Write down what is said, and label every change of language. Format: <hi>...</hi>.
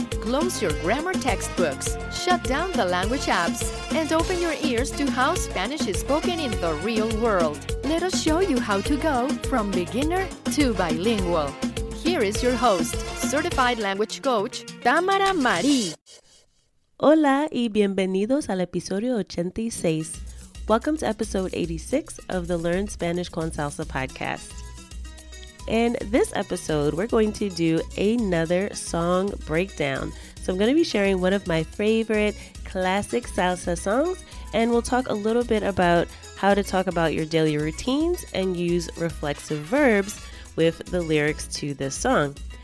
<en>Close your grammar textbooks, shut down the language apps, and open your ears to how Spanish is spoken in the real world. Let us show you how to go from beginner to bilingual. Here is your host, certified language coach, Tamara Marie.</en> <es>Hola y bienvenidos al episodio 86.</es> <en>Welcome to episode 86 of the Learn Spanish con Salsa podcast. In this episode, we're going to do another song breakdown. So I'm going to be sharing one of my favorite classic salsa songs, and we'll talk a little bit about how to talk about your daily routines and use reflexive verbs with the lyrics to this song.</en>